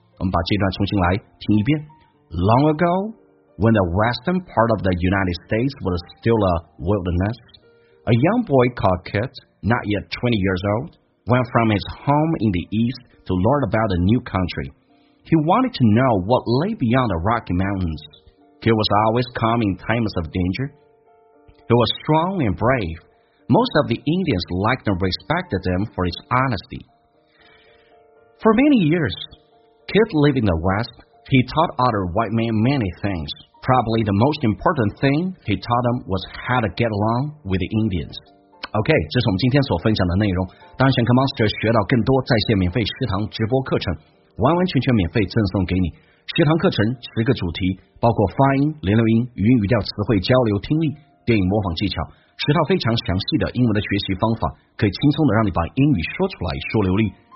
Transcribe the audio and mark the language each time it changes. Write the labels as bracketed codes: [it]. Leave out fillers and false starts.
[zh] 我们把这段重新来听一遍。 [en] Long ago, when the western part of the United States was still a wilderness, a young boy called Kit, not yet 20 years old, went from his home in the east to learn about a new country. He wanted to know what lay beyond the Rocky Mountains. Kit was always calm in times of danger. He was strong and brave. Most of the Indians liked and respected him for his honesty. For many years, Kit lived in the west. He taught other white men many things. Probably the most important thing he taught them was how to get along with the Indians. [zh] OK, 这是我们今天所分享的内容。当选课 Monster 学到更多在线免费食堂直播课程，完完全全免费赠送给你。食堂课程十个主题，包括发音、连留音、语音语调、词汇交流、听力、电影模仿技巧，十套非常详细的英文的学习方法，可以轻松的让你把英语说出来，说流利。